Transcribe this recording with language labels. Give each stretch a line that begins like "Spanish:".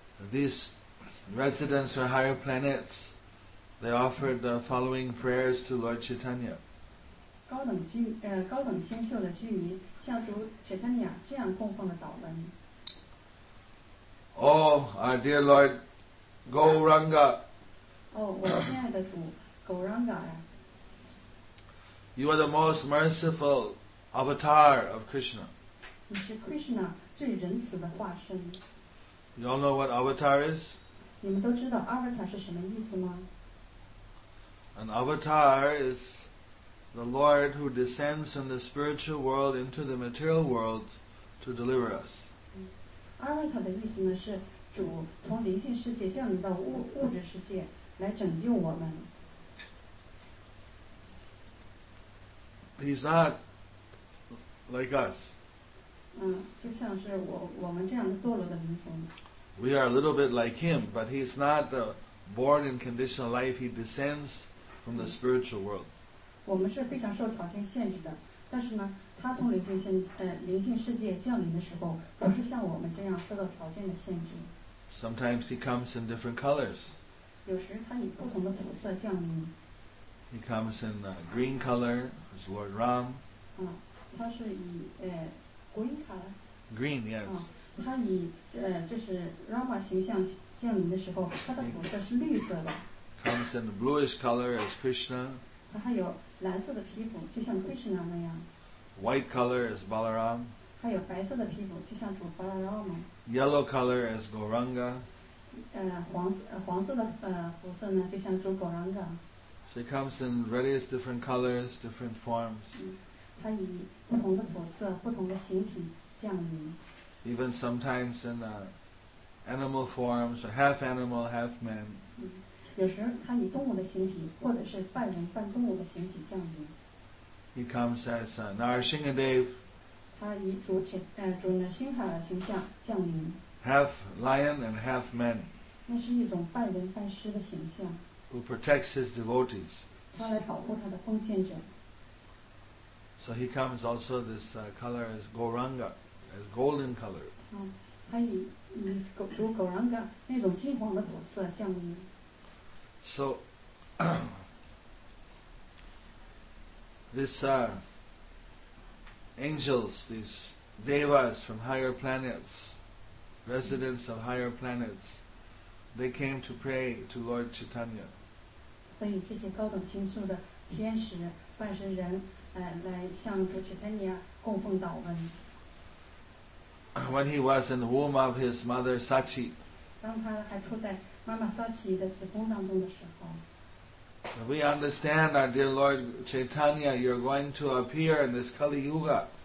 English: These residents from higher planets They offered the following prayers to Lord Chaitanya.
Chinese: 高等仙秀的居民向主 Chaitanya 这样供奉的祷文。
English: Oh, our dear Lord, Gauranga.
Chinese: Oh, 我亲爱的主 Gauranga 呀。
English: You are the most merciful avatar of Krishna.
Chinese: 你是 Krishna 最仁慈的化身。
English: You all know what avatar is?
Chinese: 你们都知道 avatar 是什么意思吗？
English: An avatar is the Lord who descends from the spiritual world into the material world to deliver us.
Chinese: Avatar 的意思呢是主从灵性世界降临到物质世界来拯救我们。
English: He's not like us.
Chinese: 就像是我们这样的堕落的灵魂。
English: We are a little bit like him, but he's not the born in conditional life. He descends. From the spiritual world.
Chinese: 我们是非常受条件限制的，但是呢，他从灵性世界降临的时候，不是像我们这样受到条件的限制。
English: Sometimes he comes in different colors.
Chinese: 有时他以不同的肤色降临。
English: He comes in a green color, as Lord Ram.
Chinese: 他是以
English: green color. Green, yes.
Chinese: 他以就是 Rama 形象降临的时候，他的肤色是绿色的。
English: Comes in a bluish color as Krishna.
Chinese: 他还有蓝色的皮肤，就像 Krishna 那样。
English: White color as Balaram.
Chinese: 还有白色的皮肤，就像主 Balaram。
English: Yellow color as Gauranga.
Chinese: 黄色的肤色呢，就像主 Gauranga。
English: So he comes in various different colors, different forms.
Chinese: 他以不同的肤色、不同的形体降临。
English: Even sometimes in animal forms, or half animal, half man.
Chinese: 有时他以动物的形体，或者是半人半动物的形体降临。
English: He comes as Narasimhadev.
Chinese: 他以主Narasimha的形象降临。
English: Half lion and half man.
Chinese: 那是一种半人半狮的形象。
English: Who protects his devotees?
Chinese: 他来保护他的奉献者。
English: So he comes also this color as Gauranga, as golden color.
Chinese: 他以主Gauranga那种金黄的肤色降临。
English: So, these angels, these devas from higher planets, residents of higher planets, they came to pray to Lord Chaitanya. So, these
Chinese: 高等星宿的天使、半神人，来向主 Chaitanya 供奉祷文。
English: When he was in the womb of his mother Sachi.
Chinese: 当他还处在妈妈萨奇的子宫当中的时候。
English: We understand, our dear Lord Chaitanya, you're going to appear in this Kali Yuga.